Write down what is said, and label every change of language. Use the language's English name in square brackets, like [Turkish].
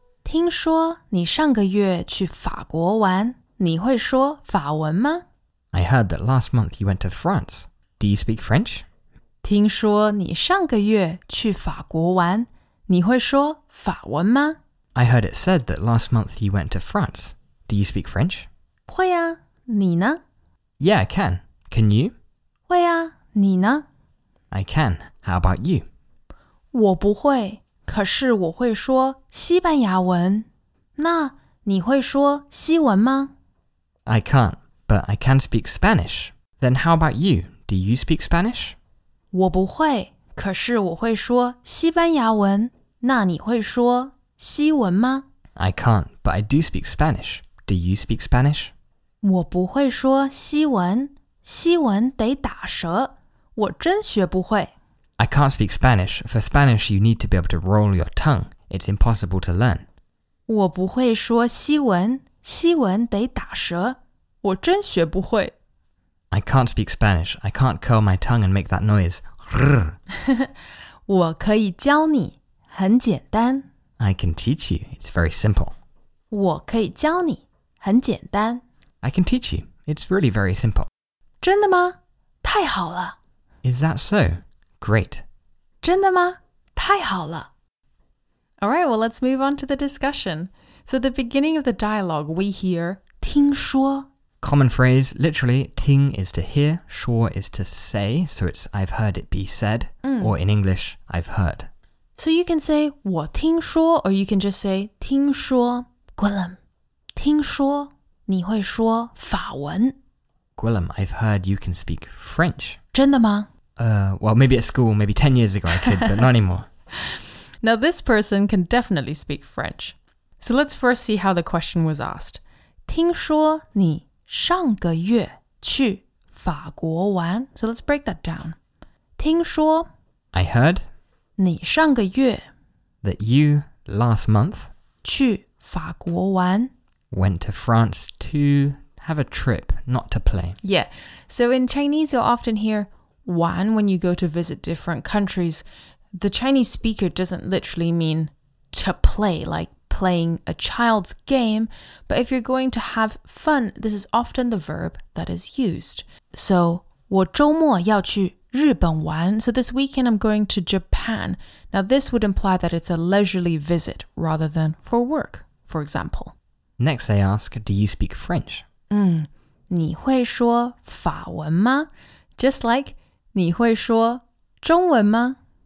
[Chinese] 听说你上个月去法国玩，你会说法文吗？ [English] I heard that last month you went to France. Do you speak French? [Chinese] 听说你上个月去法国玩，你会说法文吗？ [English] I heard it said that last month you went to France. Do you speak French? [Chinese] 会啊，你呢？ [English] Yeah, I can. Can you? [Chinese] 会啊，你呢？ [English] I can. How about you? [Chinese] 我不会。可是我会说西班牙文。那你会说西文吗？ [English] I can't, but I can speak Spanish. Then how about you? Do you speak Spanish? [Chinese] 我不会，可是我会说西班牙文。那你会说西文吗？ [English] I can't, but I do speak Spanish. Do you speak Spanish? [Chinese] 我不会说西文，西文得打舌，我真学不会。 [English] I can't speak Spanish. For Spanish, you need to be able to roll your tongue. It's impossible to learn. [Chinese] 我不会说西文，西文得打舌，我真学不会。 [English] I can't speak Spanish. I can't curl my tongue and make that noise. [Chinese] 我可以教你，很简单。 [English] I can teach you. It's very simple. [Chinese] 我可以教你，很简单。 [English] I can teach you. It's really very simple. [Chinese] 真的吗？太好了。 [English] Is that so? Great. [Chinese] 真的吗？太好了。 [English] All right, well, let's move on to the discussion. So at the beginning of the dialogue, we hear, [Chinese] 听说。 [English] Common phrase, literally, 听 is to hear, 说 is to say, so it's I've heard it be said, or in English, I've heard. So you can say [Chinese] 我听说, [English] or you can just say 听说, Guillem, [Chinese] 听说你会说法文。 [English] Guillem, I've heard you can speak French. [Chinese] 真的吗? [English] Well, maybe at school, maybe 10 years ago I could, but not anymore. Now this person can definitely speak French. So let's first see how the question was asked. [Chinese] 听说你上个月去法国玩。 [English] So let's break that down. [Chinese] 听说 [English] I heard [Chinese] 你上个月 [English] that you last month [Chinese] 去法国玩 [English] went to France to have a trip, not to play. Yeah, so in Chinese you'll often hear 玩 when you go to visit different countries. The Chinese speaker doesn't literally mean to play, like playing a child's game, but if you're going to have fun, this is often the verb that is used. [Chinese] So, 我周末要去日本玩。 [English] So this weekend I'm going to Japan. Now this would imply that it's a leisurely visit rather than for work, for example. Next I ask, do you speak French? [Chinese] 你会说法文吗? [English] Just like, [Chinese] 你会说中文吗?